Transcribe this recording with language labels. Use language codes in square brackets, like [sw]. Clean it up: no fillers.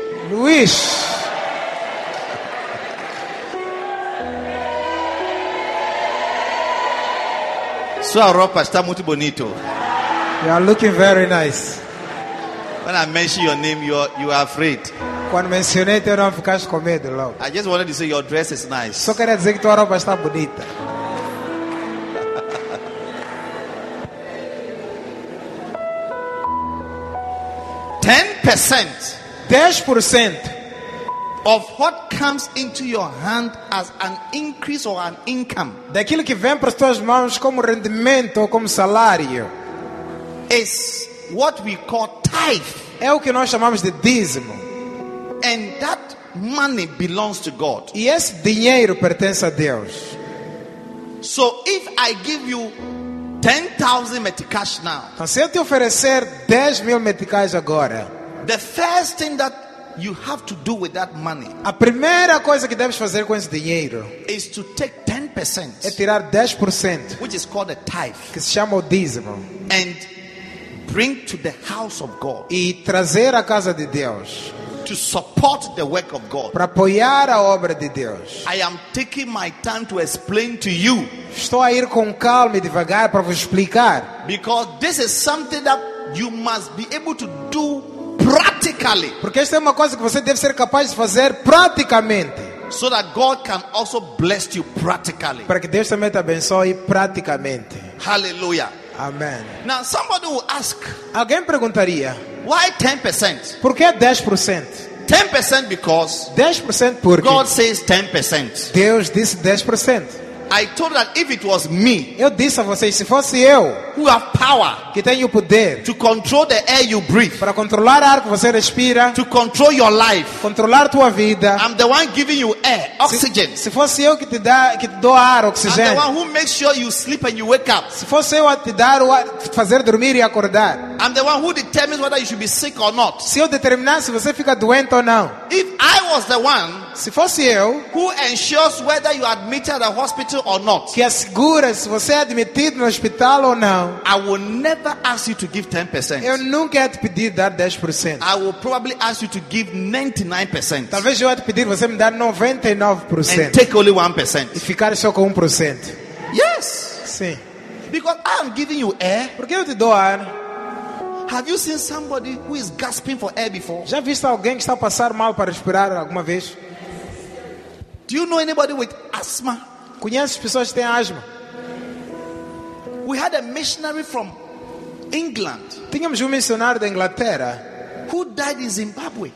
[pt] Luiz. Sua roupa está muito bonito. [en] You are looking very nice. When I mention your name, you are afraid. [pt] Quando mencionei teu nome, ficaste com medo logo. [en] I just wanted to say your dress is nice. [pt] Só queria dizer que tua roupa está bonita. [en] Ten percent. [pt] 10% [en] of what comes into your hand as an increase or an income. [pt] Daquilo que vem para as tuas mãos como rendimento ou como salário. [en] Is what we call tithe. [pt] É o que nós chamamos de dízimo. [en] And that money belongs to God. [pt] E esse dinheiro pertence a Deus. [en] So if I give you 10,000 meticais now. [pt] Então, se eu te oferecer 10 mil meticais agora. [en] The first thing that you have to do with that money. [pt] A primeira coisa que deves fazer com esse dinheiro [en] is to take 10%. [pt] É tirar 10%, [en] which is called a tithe. [pt] Que se chama o dízimo. [en] And bring to the house of God. [pt] E trazer à casa de Deus. [en] to support the work of God. [pt] Para apoiar a obra de Deus. [en] I am taking my time to explain to you. [pt] Estou a ir com calma e devagar para vos explicar. [en] Because this is something that you must be able to do practically. [pt] Porque esta é uma coisa que você deve ser capaz de fazer praticamente. [en] So that God can also bless you practically. [pt] Para que Deus também te abençoe praticamente. [en] Hallelujah. Amen. Now somebody will ask. [pt] Alguém perguntaria. [en] Why 10%? [pt] Por que 10%? [en] 10% because [pt] 10% porque [en] God says 10%. [pt] Deus disse 10%. [en] I told that if it was me, [pt] eu disse a vocês, se fosse eu, [en] who have power, [pt] que tenho poder, [en] to control the air you breathe, [pt] para controlar o ar que você respira, [en] to control your life, [pt] controlar tua vida, [en] I'm the one giving you air, oxygen. [pt] Se fosse eu que te dá, que te dou ar, oxigênio, [en] I'm the one who makes sure you sleep and you wake up. [pt] Se fosse eu a te dar o ar, fazer dormir e acordar, [en] I'm the one who determines whether you should be sick or not. [pt] Se eu determinar se você fica doente ou não. [en] If I was the one, [pt] se fosse eu, [en] who ensures whether you are admitted at the hospital or not, [pt] que assegura se você é admitido no hospital ou não, [en] I will never ask you to give 10%. [pt] Eu nunca ia te pedir dar 10%. [en] I will probably ask you to give 99%. [pt] Talvez eu ia te pedir você me dar 99%. [en] And take only 1%. [pt] E ficar só com 1%. [en] Yes. [pt] Sim. [en] Because I am giving you air. [pt] Porque eu te dou ar. [en] Have you seen somebody who is gasping for air before? [pt] Já viste alguém que está a passar mal para respirar alguma vez? [en] Do you know anybody with asthma? [pt] Conhece pessoas que têm asma? [en] We had a missionary from England. [pt] Tínhamos missionário da Inglaterra. [en] Who died in Zimbabwe?